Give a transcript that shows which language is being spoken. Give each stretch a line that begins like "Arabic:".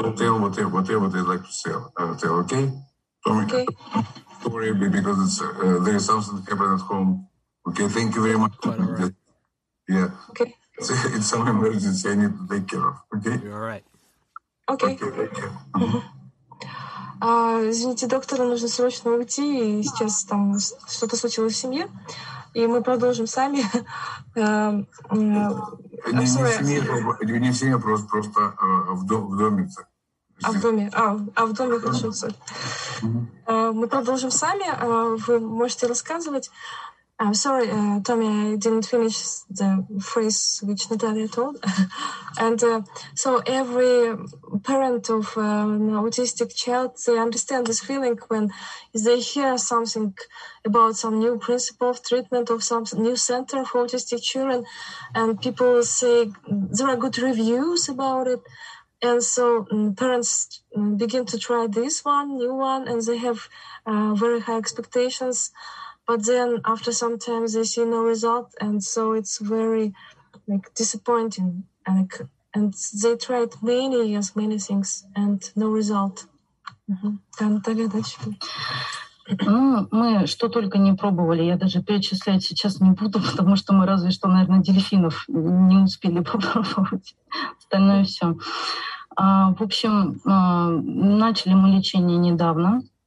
English: Tell whatever they'd like to tell, okay? Tommy, okay. Don't worry, because there's something happening at home. Okay, thank you very much. Right. Yeah. Okay. It's an emergency I need to take care of, okay? You're all right. Okay. Okay, thank you. Mm-hmm.
Russian: Извините, доктору нужно срочно уйти, и сейчас там что-то случилось в семье, и мы продолжим сами. Не в семье, просто в доме. В доме, хорошо. Mm-hmm. Мы продолжим сами, вы можете рассказывать.
English: I'm sorry, Tommy, I didn't finish the phrase which Natalia told. And so every parent of an autistic child, they understand this feeling when they hear something about some new principle of treatment of some new center for autistic children, and people say there are good reviews about it. And so parents begin to try this one, new one, and they have very high expectations. But then after some time, they see no result. And so it's very disappointing. And they tried many things, and no result.
Russian: Ну, мы что только не пробовали, я даже перечислять сейчас не буду, потому что мы разве что, наверное, дельфинов не успели попробовать. Остальное все. В общем, начали мы лечение недавно.